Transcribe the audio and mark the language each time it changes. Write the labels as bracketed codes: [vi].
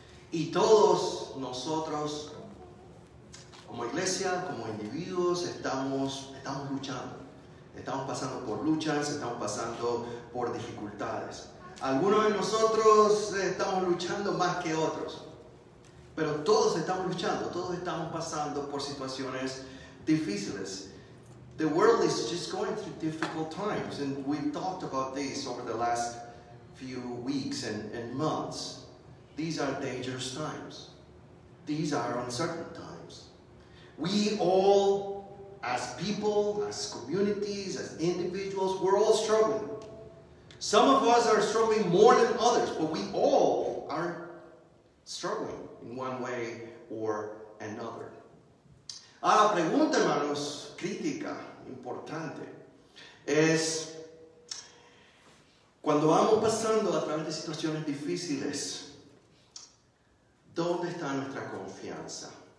[es] Y todos nosotros, como iglesia, como individuos, estamos luchando. Estamos pasando por luchas, estamos pasando por dificultades. Algunos de nosotros estamos luchando más que otros. Pero todos estamos luchando, todos estamos pasando por situaciones difíciles. [en] The world is just going through difficult times, and we've talked about this over the last few weeks and months. These are dangerous times. These are uncertain times. We all, as people, as communities, as individuals, we're all struggling. Some of us are struggling more than others, but we all are struggling in one way or another. [es] Ah, la pregunta, hermanos, crítica, importante, es cuando vamos pasando a través de situaciones difíciles, ¿dónde está nuestra confianza?